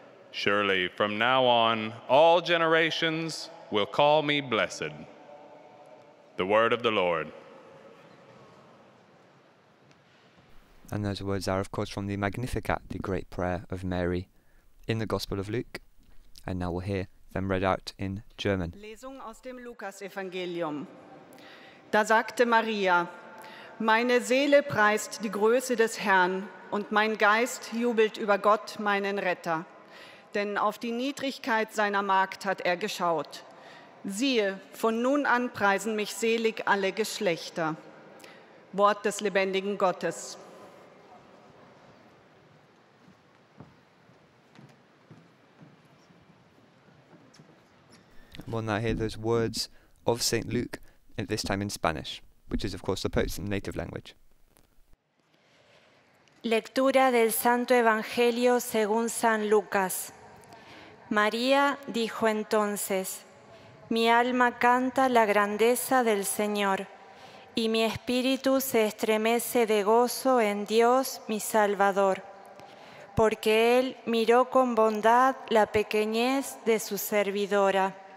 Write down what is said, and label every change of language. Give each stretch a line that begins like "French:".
English: Surely, from now on, all generations will call me blessed." The word of the Lord. And those words are, of course, from the Magnificat, the great prayer of Mary, in the Gospel of Luke. And now we'll hear them read out in German.
German: Lesung aus dem Lukas-Evangelium. Da sagte Maria, "Meine Seele preist die Größe des Herrn, und mein Geist jubelt über Gott, meinen Retter. Denn auf die Niedrigkeit seiner Magd hat er geschaut. Siehe, von nun an preisen mich selig alle Geschlechter." Wort des lebendigen Gottes.
English: We'll now hear those words of St. Luke, at this time in Spanish, which is, of course, the Pope's native language.
Spanish: Lectura del Santo Evangelio según San Lucas. María dijo entonces, «Mi alma canta la grandeza del Señor, y mi espíritu se estremece de gozo en Dios mi Salvador, porque Él miró con bondad la pequeñez de su servidora.